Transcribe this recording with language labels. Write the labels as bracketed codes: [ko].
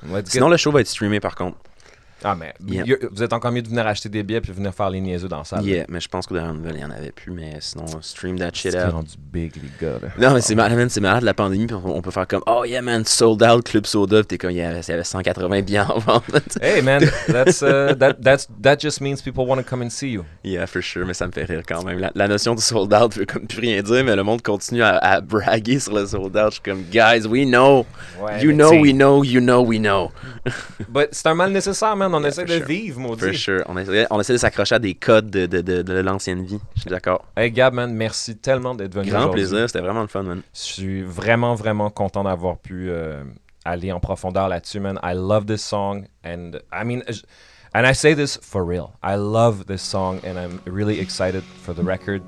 [fr] Sinon, le show va être streamé par contre. Ah, mais yeah. Vous êtes encore mieux de venir acheter des billets puis venir faire les niaiseux dans ça. Yeah, mais je pense que dans la nouvelle, il n'y en avait plus. Mais sinon, [en] stream that shit out. [fr] C'est rendu big, les gars. Là. Non, mais c'est malade, man. C'est malade, la pandémie. On peut faire comme, [en] oh yeah, man, sold out [fr] Club Soda. Puis t'es comme, il y avait 180 billets en vente. [en] Hey, man, that just means people want to come and see you. Yeah, for sure. [fr] Mais ça me fait rire quand même. La notion de sold out veut comme plus rien dire. Mais le monde continue à braguer sur le sold out. Je suis comme, [en] guys, we know. Ouais, you know, we know, you know, we know. [fr] But c'est un mal nécessaire, man. On essaie de vivre, maudit. [en] For sure. [fr] On essaie de s'accrocher à des codes de l'ancienne vie. Je suis d'accord. Hey, Gab, man, merci tellement d'être venu. Grand plaisir. C'était vraiment le fun, man. Je suis vraiment, vraiment content d'avoir pu aller en profondeur là-dessus, man. [en] I love this song. And I mean, and I say this for real. I love this song and I'm really excited for the record.